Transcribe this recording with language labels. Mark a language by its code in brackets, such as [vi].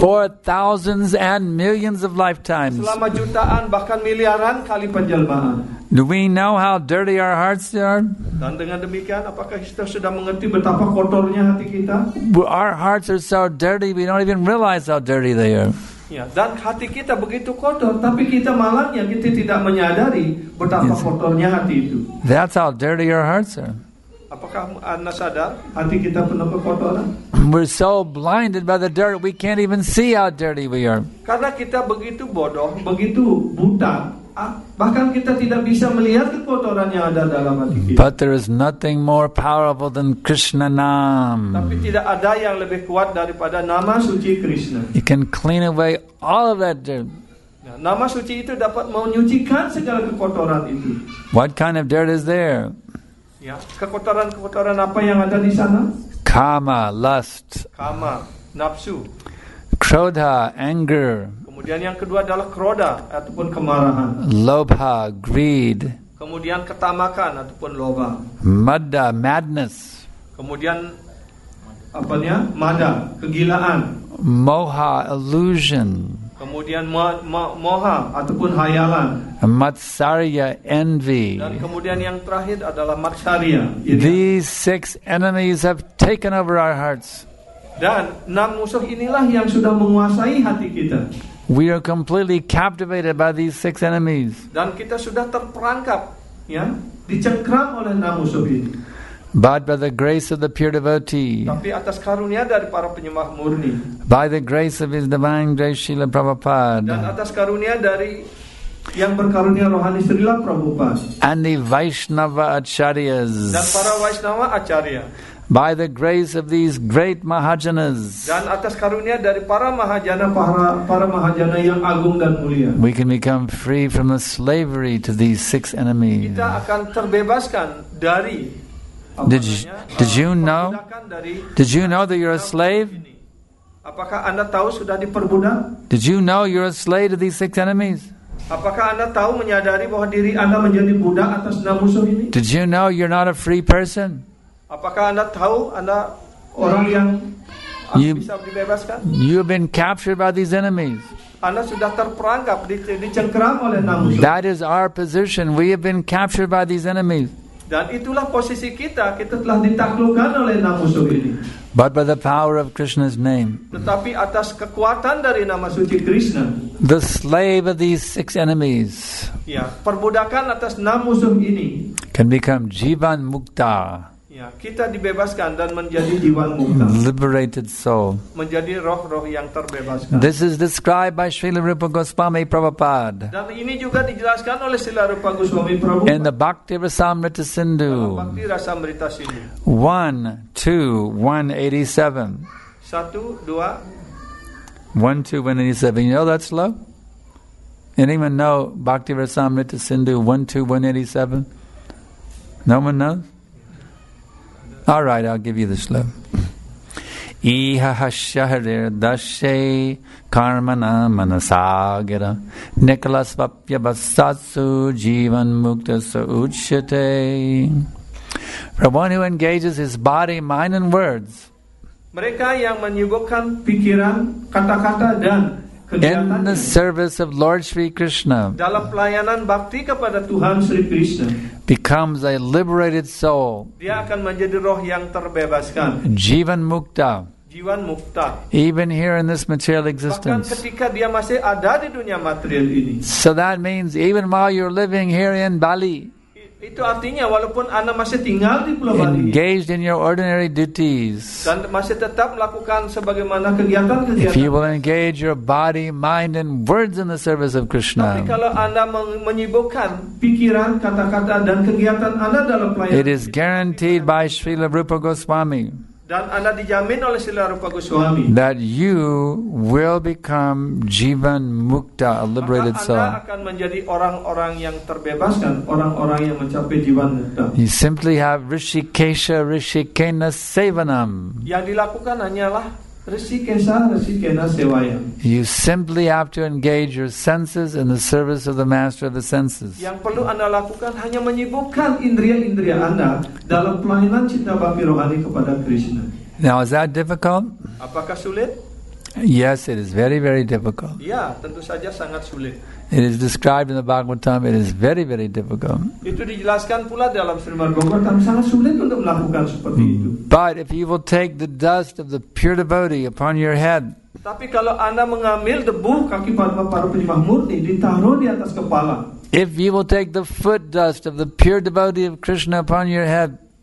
[en] For thousands and millions of lifetimes. [id] Selama jutaan bahkan miliaran kali penjelmaan. [en] Do we know how dirty our hearts are? [id] Dan dengan demikian apakah kita sudah mengerti betapa kotornya hati kita? [en] Our hearts are so dirty we don't even realize how dirty they are. [id] Ya, dan hati kita begitu kotor, tapi kita malangnya kita tidak menyadari betapa kotornya hati itu. [en] That's how dirty your hearts are. [id] Apakah Anda sadar hati kita penuh kekotoran? [en] We're so blinded by the dirt, we can't even see how dirty we are. [id] Karena kita begitu bodoh, begitu buta, bahkan kita tidak bisa melihat kekotoran yang ada dalam hati kita. [en] But there is nothing more powerful than Krishna Nam. [id] Tapi tidak ada yang lebih kuat daripada nama suci Krishna. [en] It can clean away all of that dirt. [id] Nama suci itu dapat menyucikan segala kekotoran itu. [en] What kind of dirt is there? [id] Ya, kekotoran-kekotoran apa yang ada di sana? [en] Kama, lust. [id] Kama, nafsu. [en] Krodha, anger. [id] Kemudian yang kedua adalah kroda ataupun kemarahan. [en] Lobha, greed. [id] Kemudian ketamakan ataupun loba. [en] Madda, madness. [id] Kemudian apa dia? Mada, kegilaan. [en] Moha, illusion. [id] Kemudian moha ataupun hayalan. [en] Matsarya, envy. [id] Dan kemudian yang terakhir adalah matsarya. [en] These six enemies have taken over our hearts. [id] Dan enam musuh inilah yang sudah menguasai hati kita. [en] We are completely captivated by these six enemies. [id] Dan kita sudah terperangkap, ya, dicengkram oleh enam musuh ini. [en] But by the grace of the pure devotee. [id] Tapi atas karunia dari para penyembah murni. [en] By the grace of his divine grace, Srila Prabhupada. [id] Dan atas karunia dari yang berkarunia rohani Srila Prabhupada. [en] And the Vaishnava Acharyas. [id] Dan para Vaishnava Acharya. [en] By the grace of these great Mahajanas. [id] Dan atas karunia dari para Mahajana, para Mahajana yang agung dan mulia. [en] We can become free from the slavery to these six enemies. [id] Kita akan terbebaskan dari [en] Did you know that you're a slave? [id] Apakah Anda tahu sudah diperbudak? [en] Did you know you're a slave to these six enemies? [id] Apakah Anda tahu menyadari bahwa diri Anda menjadi budak atas enam musuh ini? [en] Did you know you're not a free person? [id] Apakah Anda tahu Anda orang yang bisa dibebaskan? [en] You've been captured by these enemies. [id] Anda sudah terperangkap, dicengkeram oleh enam musuh. [en] That is our position. We have been captured by these enemies. [id] Dan itulah posisi kita. Kita telah ditaklukkan oleh enam musuh ini. [en] But by the power of Krishna's name. [id] Tetapi atas kekuatan dari nama suci Krishna. [en] The slave of these six enemies. [id] Ya, perbudakan atas enam musuh ini. [en] Can become jivan mukta. [id] Ya, kita dibebaskan dan menjadi jiwa mukta. [en] Liberated soul. [id] Menjadi roh-roh yang terbebaskan. [en] This is described by Srila Rupa Goswami Prabhupada. [id] Dan ini juga dijelaskan oleh Srila Rupa Goswami Prabhupada. [en] In the Bhakti Rasamrita Sindhu. [id] Bhakti Rasamrita Sindhu. [en] 1.2.187. [id] 1.2. [en] 1.2.187. You know that's low? Anyone know Bhakti Rasamrita Sindhu 1.2.187? No one knows? All right, I'll give you the slow. [sa] Iha hashaharir dashe karmana manasagira Nicholas vapyabhasasu jivan mukta sa uchyate. [en] For one who engages his body, mind and words. [id] Mereka yang menyuguhkan pikiran, kata-kata dan [en] in the service of Lord Sri Krishna, [id] dalam pelayanan bhakti kepada Tuhan Sri Krishna, [en] becomes a liberated soul. [id] Dia akan menjadi roh yang terbebaskan. [en] Jivan mukta. [id] Jivan mukta. [en] Even here in this material existence. [id] Bahkan ketika dia masih ada di dunia material ini. [en] So that means even while you're living here in Bali. [id] Itu artinya walaupun Anda masih tinggal di Pulau Bali. [en] Engaged in your ordinary duties. [id] Dan masih tetap melakukan sebagaimana kegiatan-kegiatan. [en] If you will engage your body, mind and words in the service of Krishna. [id] Tapi kalau Anda menyibukkan pikiran, kata-kata dan kegiatan Anda dalam pelayanan. [en] It is guaranteed by Srila Rupa Goswami. [id] Dan Anda dijamin oleh Srila Rupa Goswami. [en] That you will become Jivan Mukta, a liberated soul. [id] Anda akan menjadi orang-orang yang terbebaskan, orang-orang yang mencapai Jivan Mukta. [en] You simply have Rishikesha, Rishikena Sevanam. [id] Yang dilakukan hanyalah Rishikesha, Rishikena Sevayam. [en] You simply have to engage your senses in the service of the master of the senses. [id] Yang perlu Anda lakukan hanya menyibukkan indria-indria Anda dalam pelayanan cinta bhakti rohani kepada Krishna. [en] Now is that difficult? [id] Apakah sulit? [en] Yes, it is very, very difficult. [id] Ya, tentu saja sangat sulit. [en] It is described in the Bhagavatam. It is very, very difficult. [id] Itu dijelaskan pula dalam Srimad Bhagavatam. Sangat sulit untuk melakukan seperti itu. [en] But if you will take the dust of the pure devotee upon your head. [id] Tapi kalau Anda mengambil debu kaki para penyembah murti ditaruh di atas kepala. [en] If you will take the foot dust of the pure devotee of Krishna upon your head.